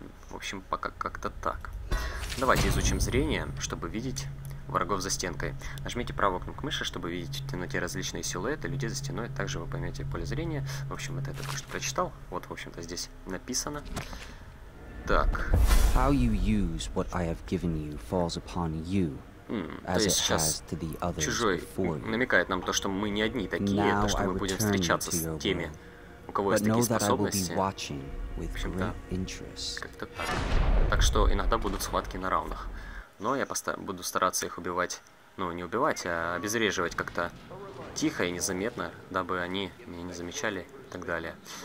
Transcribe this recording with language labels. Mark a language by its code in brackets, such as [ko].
[ru] В общем, пока как-то так. Давайте изучим зрение, чтобы видеть врагов за стенкой. Нажмите правую кнопку мыши, чтобы видеть в темноте различные силуэты людей за стеной. Также вы поймете поле зрения. В общем, это я только что прочитал. Вот, в общем-то, здесь написано. Так. [en] How you use what I have given you falls upon you. [ru] То есть сейчас чужой намекает нам то, что мы не одни такие, то, что мы будем встречаться с теми, у кого есть такие способности. В общем-то, как-то так. Так что иногда будут схватки на раунах. Но я буду стараться их убивать, ну не убивать, а обезвреживать как-то тихо и незаметно, дабы они меня не замечали и так далее.